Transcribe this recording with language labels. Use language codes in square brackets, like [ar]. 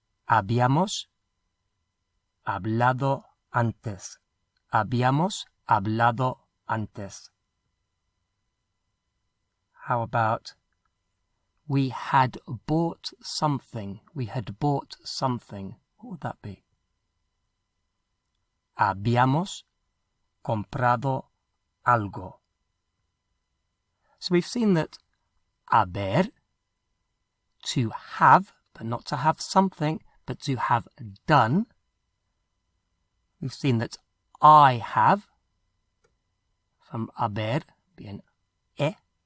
[es] Habíamos hablado antes. Habíamos hablado antes. [en] How about we had bought something? We had bought something. What would that be? [es] Habíamos comprado algo. [en] So we've seen that haber, to have, but not to have something, but to have done. We've seen that I have, from haber, being he.